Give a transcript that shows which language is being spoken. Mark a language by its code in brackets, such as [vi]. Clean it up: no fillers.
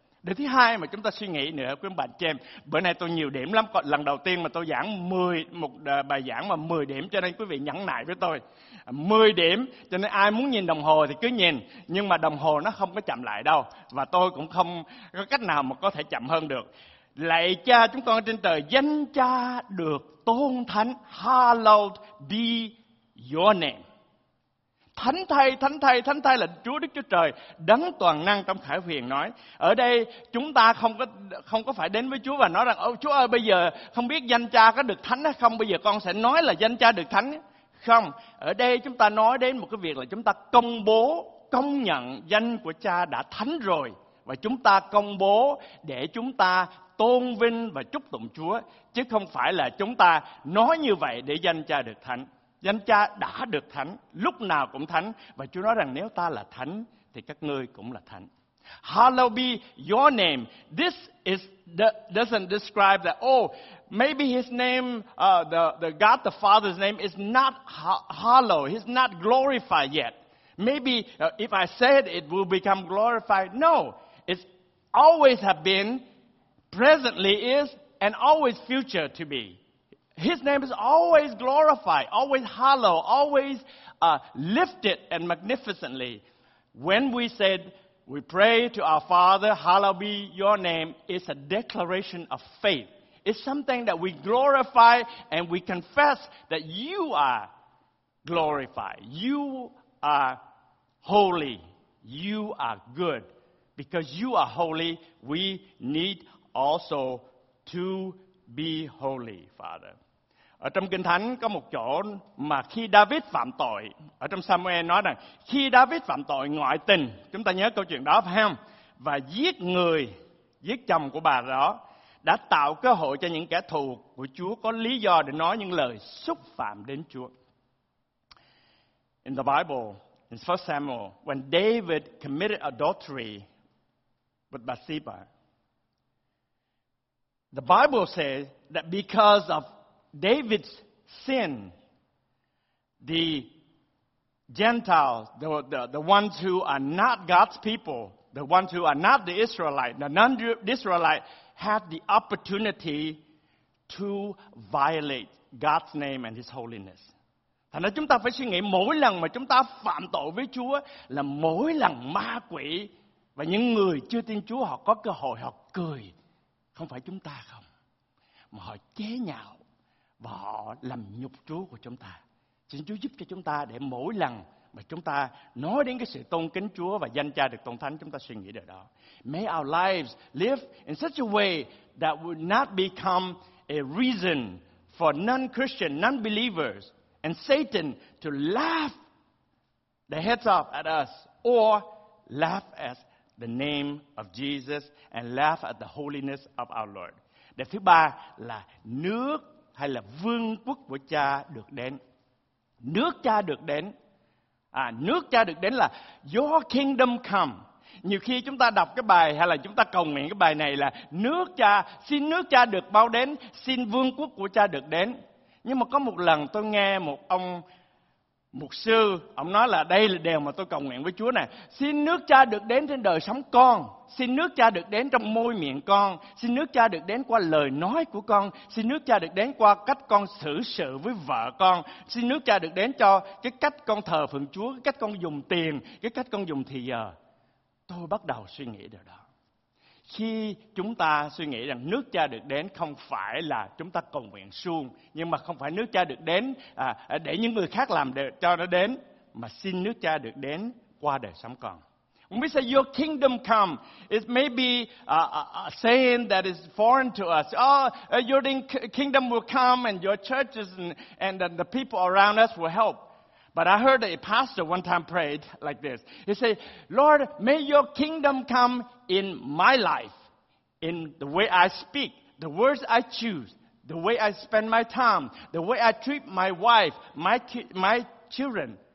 [vi] Điều thứ hai mà chúng ta suy nghĩ nữa, quý ông bà chị em, bữa nay tôi nhiều điểm lắm, còn lần đầu tiên mà tôi giảng 10, một bài giảng mà 10 điểm, cho nên quý vị nhẫn nại với tôi. 10 điểm, cho nên ai muốn nhìn đồng hồ thì cứ nhìn, nhưng mà đồng hồ nó không có chậm lại đâu, và tôi cũng không có cách nào mà có thể chậm hơn được. Lạy Cha chúng con ở trên trời, danh Cha được tôn thánh, [en] hallowed be your name. [vi] Thánh thay, thánh thay, thánh thay là Chúa Đức Chúa Trời, đấng toàn năng trong Khải Huyền nói. Ở đây chúng ta không có phải đến với Chúa và nói rằng, ô Chúa ơi, bây giờ không biết danh Cha có được thánh hay không, bây giờ con sẽ nói là danh Cha được thánh. Không, ở đây chúng ta nói đến một cái việc là chúng ta công bố, công nhận danh của Cha đã thánh rồi. Và chúng ta công bố để chúng ta tôn vinh và chúc tụng Chúa, chứ không phải là chúng ta nói như vậy để danh Cha được thánh. Danh Cha đã được thánh, lúc nào cũng thánh, và Chúa nói rằng nếu ta là thánh thì các ngươi cũng là thánh. [en] Hallowed be your name. This is doesn't describe that, oh, maybe his name, the God the Father's name is not hallowed, he's not glorified yet. Maybe if I said it will become glorified. No, it's always have been, presently is, and always future to be. His name is always glorified, always hallowed, always lifted and magnificently. When we said, we pray to our Father, hallowed be your name, it's a declaration of faith. It's something that we glorify and we confess that you are glorified. You are holy. You are good. Because you are holy, we need also to be holy, Father. [vi] Ở trong Kinh Thánh có một chỗ mà khi David phạm tội, ở trong Samuel nói rằng khi David phạm tội ngoại tình, chúng ta nhớ câu chuyện đó phải không? Và giết người, giết chồng của bà đó, đã tạo cơ hội cho những kẻ thù của Chúa có lý do để nói những lời xúc phạm đến Chúa. [en] In the Bible, in 1 Samuel, when David committed adultery with Bathsheba, the Bible says that because of David's sin, the Gentiles, the ones who are not God's people, the ones who are not the Israelite, the non-Israelite, had the opportunity to violate God's name and His holiness. [vi] Thành ra chúng ta phải suy nghĩ mỗi lần mà chúng ta phạm tội với Chúa là mỗi lần ma quỷ và những người chưa tin Chúa họ có cơ hội họ cười. Không phải chúng ta không, mà họ chế nhạo. Và họ làm nhục Chúa của chúng ta. Xin Chúa giúp cho chúng ta để mỗi lần mà chúng ta nói đến cái sự tôn kính Chúa và danh Cha được tôn thánh, chúng ta suy nghĩ điều đó. [en] May our lives live in such a way that would not become a reason for non-Christian, non-believers and Satan to laugh their heads off at us or laugh at the name of Jesus and laugh at the holiness of our Lord. [vi] Điều thứ ba là nước hay là vương quốc của Cha được đến. Nước Cha được đến. À, nước Cha được đến là [en] Your kingdom come. [vi] Nhiều khi chúng ta đọc cái bài hay là chúng ta cầu nguyện cái bài này là nước Cha, xin nước Cha được bao đến, xin vương quốc của Cha được đến. Nhưng mà có một lần tôi nghe một ông mục sư, ông nói là đây là điều mà tôi cầu nguyện với Chúa nè. Xin nước Cha được đến trên đời sống con, xin nước Cha được đến trong môi miệng con, xin nước Cha được đến qua lời nói của con, xin nước Cha được đến qua cách con xử sự với vợ con, xin nước Cha được đến cho cái cách con thờ phượng Chúa, cái cách con dùng tiền, cái cách con dùng thì giờ. Tôi bắt đầu suy nghĩ điều đó. Khi chúng ta suy nghĩ rằng nước Cha được đến không phải là chúng ta cầu nguyện suông, nhưng mà không phải nước Cha được đến để những người khác làm để cho nó đến, mà xin nước Cha được đến qua đời sống con. [en] When we say your kingdom come, it may be a saying that is foreign to us. Your kingdom will come and your churches and the people around us will help. But I heard a pastor one time prayed like this. He said, Lord, may your kingdom come in my life, in the way I speak, the words I choose, the way I spend my time, the way I treat my wife, my children.